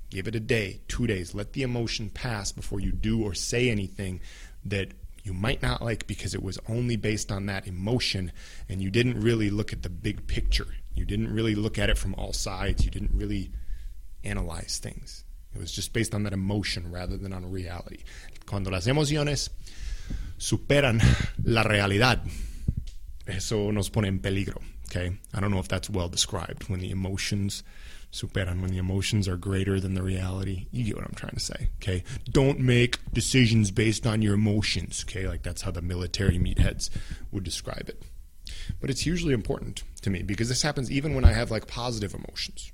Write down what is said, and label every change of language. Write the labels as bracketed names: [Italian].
[English] Give it a day, 2 days. Let the emotion pass before you do or say anything that you might not like, because it was only based on that emotion and you didn't really look at the big picture. You didn't really look at it from all sides. You didn't really analyze things. It was just based on that emotion rather than on reality. [Spanish] Cuando las emociones superan la realidad, eso nos pone en peligro. [English] Okay. I don't know if that's well described, when the emotions superan, when the emotions are greater than the reality. You get what I'm trying to say. Okay. Don't make decisions based on your emotions. Okay. Like, that's how the military meatheads would describe it. But it's hugely important to me, because this happens even when I have like positive emotions.